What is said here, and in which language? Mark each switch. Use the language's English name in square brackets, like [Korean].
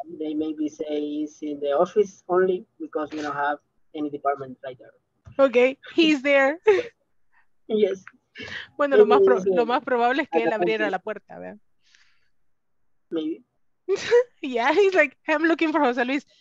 [English] They maybe say it's in the office only because we don't have any department right there. Okay, he's there. Yes. [Spanish] Bueno, lo más probable es que él abriera la puerta, ¿verdad? [English] Maybe. Yeah, he's like, I'm looking for Jose Luis.